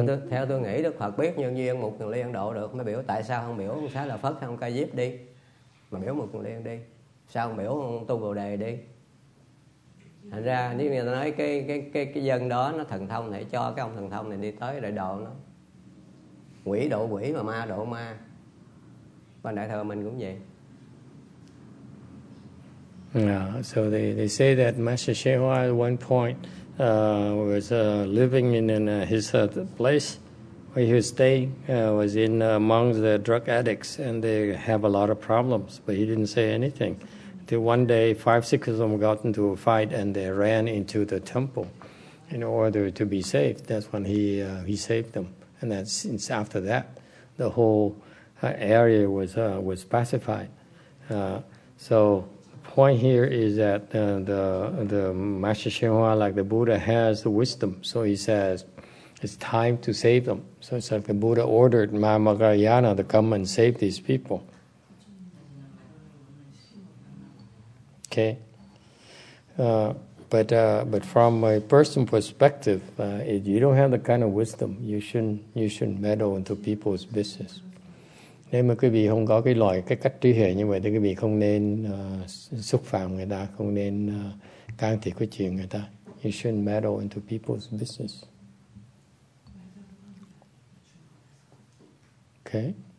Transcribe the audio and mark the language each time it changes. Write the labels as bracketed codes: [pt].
[vi] Theo tôi nghĩ Đức Phật biết nhân duyên một người liên độ được mới biểu tại sao không biểu Xá Lợi Phất hay ông Ca Diếp đi mà biểu một người liên đi, sao không biểu ông Tu Bồ Đề đi. Thành ra nếu người ta nói cái dân đó nó thần thông để cho cái ông thần thông này đi tới để độ nó, quỷ độ quỷ mà ma độ ma, và đại thừa mình cũng vậy. [en] So they say that Master Shehua at one point was living in his place where he was staying, was in among the drug addicts, and they have a lot of problems, but he didn't say anything. Till one day, 5-6 of them got into a fight and they ran into the temple in order to be saved. That's when he saved them. And that's, since after that, the whole area was pacified. So point here is that the Master Shenhua, like the Buddha, has the wisdom. So he says, it's time to save them. So it's like the Buddha ordered Mahamogalyana to come and save these people. Okay. But from a personal perspective, if you don't have the kind of wisdom, you shouldn't meddle into people's business. [vi] Nếu mà quý vị không có cái loại cái cách trí huệ như vậy thì quý vị không nên xúc phạm người ta, không nên can thiệp cái chuyện người ta. [en] You shouldn't meddle into people's business. Okay.